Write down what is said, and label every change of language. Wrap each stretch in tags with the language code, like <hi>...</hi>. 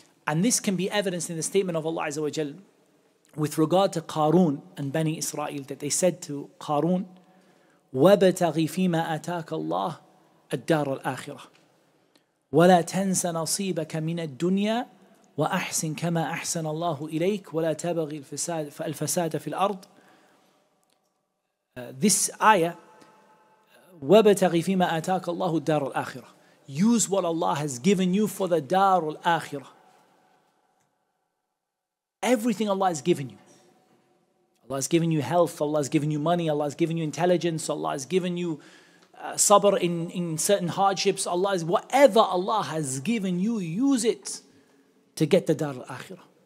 <en>And this can be evidenced in the statement of Allah Azza wa Jal with regard to Qarun and Bani Israel, that they said to Qarun,</en> <ar>وَبَتَغِي فِيمَا أَتَاكَ اللَّهِ الدَّارَ الْآخِرَةِ وَلَا تَنْسَ نَصِيبَكَ مِنَ الدُّنْيَا وَأَحْسِنْ كَمَا أَحْسَنَ اللَّهُ إِلَيْكَ وَلَا تَبَغِي الْفَسَادَ فِي الْأَرْضِ.</ar> <en>This ayah,</en> <ar>وَبَتَغِي فِيمَا أَتَاكَ اللَّهُ الدَّارَ الْآخِرَةِ.</ar> <en>Use what Allah has given you for the دار الآخرة. Everything Allah has given you. Allah has given you health, Allah has given you money, Allah has given you intelligence, Allah has given you sabr in certain hardships, Allah has, whatever Allah has given you, use it to get the dar al-akhirah.</en>